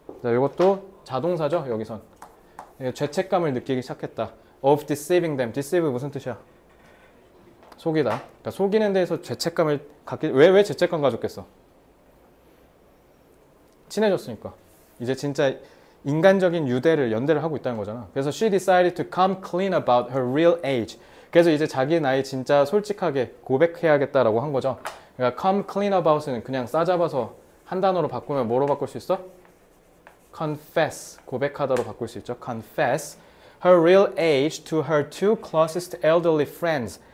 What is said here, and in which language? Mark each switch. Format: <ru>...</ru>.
<ko>자, 이것도 자동사죠 여기선. 죄책감을 느끼기 시작했다.</ko> <en>Of deceiving them. Deceive</en> <ko>무슨 뜻이야? 속이다. 그러니까 속이는 데에서 죄책감을 갖게. 왜 죄책감 가졌겠어? 친해졌으니까. 이제 진짜 인간적인 연대를 하고 있다는 거잖아.</ko> <en>그래서 she decided to come clean about her real age.</en> <ko>그래서 이제 자기 나이 진짜 솔직하게 고백해야겠다라고 한 거죠. 그러니까</ko> <en>come clean about</en> <ko>은 그냥 싸잡아서 한 단어로 바꾸면 뭐로 바꿀 수 있어? confess. 고백하다로 바꿀 수 있죠.</ko> <en>confess her real age to her two closest elderly friends.</en>